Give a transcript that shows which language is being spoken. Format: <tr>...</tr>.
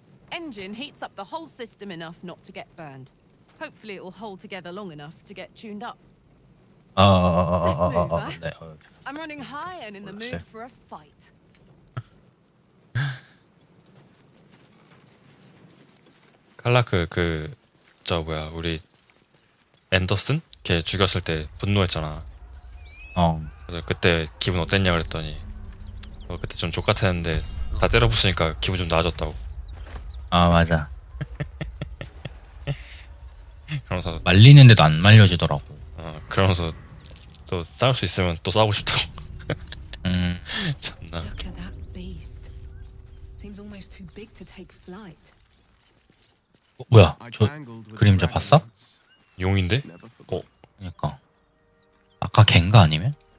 <en>Engine heats up the whole system enough not to get burned. Hopefully it will hold together long enough to get tuned up. Oh, I'm running high and in the mood for a fight.</en> <ko>Kallak, 그 저 뭐야 우리 앤더슨 걔 죽였을 때 분노했잖아. 어. 그래서 그때 기분 어땠냐 그랬더니 뭐 그때 좀 족같았는데 다 때려 부수니까 기분 좀 나아졌다고. 아 맞아. 그러면서 말리는데도 안 말려지더라고. 어 그러면서 또 싸울 수 있으면 또 싸우고 싶다고. 존나.</ko> <en>Look at that beast. Seems almost too big to take flight.</en> <ko>어, 뭐야 저 그림자 봤어? 용인데? 어 그러니까 아까 갱가 아니면?</ko>